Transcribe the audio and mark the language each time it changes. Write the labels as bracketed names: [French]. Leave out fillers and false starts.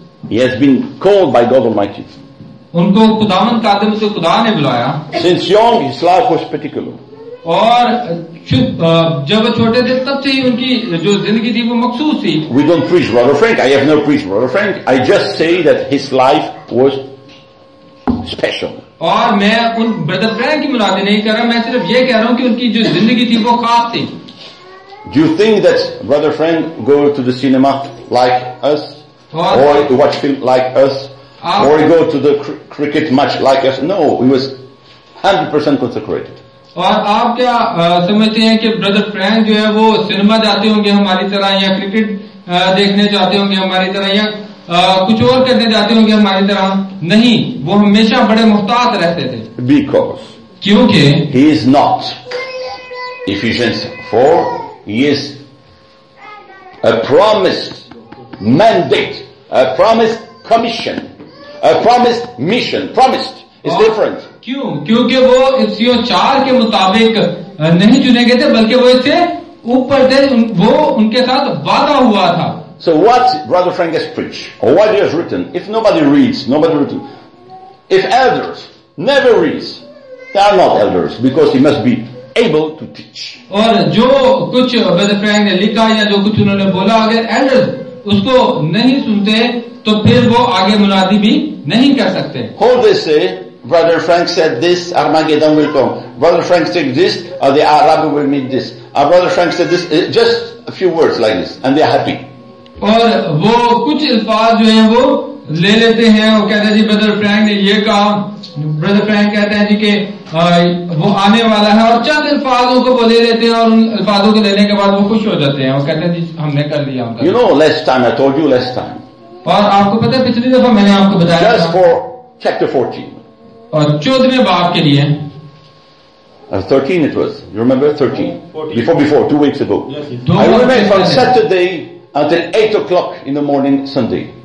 [English] He has been called by God Almighty. [Hindi] उनको खुदावंद कादम से खुदा ने बुलाया. [English] Since young, his life was particular. [Hindi] और जब छोटे थे तब से ही उनकी जो जिंदगी थी वो मखसूस थी. [English] We don't preach Brother Frank. I have no preach Brother Frank. I just say that his life was special. [Hindi] और मैं उन ब्रदर फ्रैंक की मुनादी नहीं कर रहा मैं सिर्फ ये कह रहा हूँ कि उनकी जो जिंदगी थी वो खास थी. [English] Do you think that Brother Frank go to the cinema like us, or to watch film like us, or go to the cricket match like us? No, he was 100% consecrated. [Hindi] और आप क्या समझते हैं कि Brother Frank जो है वो cinema जाते होंगे हमारी तरह या क्रिकेट देखने जाते होंगे हमारी तरह या कुछ और करने जाते होंगे हमारी तरह? नहीं, वो हमेशा बड़े मुहतात रहते थे. [English] Because [Hindi] क्योंकि [English] he is not Ephesians 4. He is a promised mandate, a promised commission, a promised mission. Promised is different. [Hindi] क्यों? क्योंकि वो इसी चार के मुताबिक नहीं चुने गए थे बल्कि वो इससे ऊपर थे वो उनके साथ वादा हुआ था. [English] So what Brother Frank has preached, what he has written, if nobody reads, nobody written, if elders never reads, they are not elders because he must be able to teach. [Hindi] और जो कुछ ब्रदर फ्रैंक ने लिखा या जो कुछ उन्होंने बोला अगर एल्डर्स उसको नहीं सुनते तो फिर वो आगे मुनादी भी नहीं कर सकते. [English] हो this brother Frank said this Armageddon will come brother Frank said this और the Arab will meet this Our brother Frank said this, just a few words like this, and they are happy. [Hindi] और वो कुछ अल्फाज जो हैं वो ले लेते हैं. वो कहते हैं जी ब्रदर फ्रैंक ने ये कहा. ब्रदर फ्रैंक कहते हैं जी कि वो आने वाला है और चंद अल्फाजों को वो ले लेते हैं और उन अल्फाजों को लेने के बाद वो खुश हो जाते हैं. वो कहते हैं जी हमने कर लिया. [English] You know, last time I told you, last time. [Hindi] और आपको पता है पिछली दफा मैंने आपको बताया [English] था. Just for chapter 14. [Hindi] और 14वें बाब के लिए. [English] 13 it was. You remember 13? 14. Before, 2 weeks ago. Yes, yes. I remember from Saturday until 8 o'clock in the morning Sunday.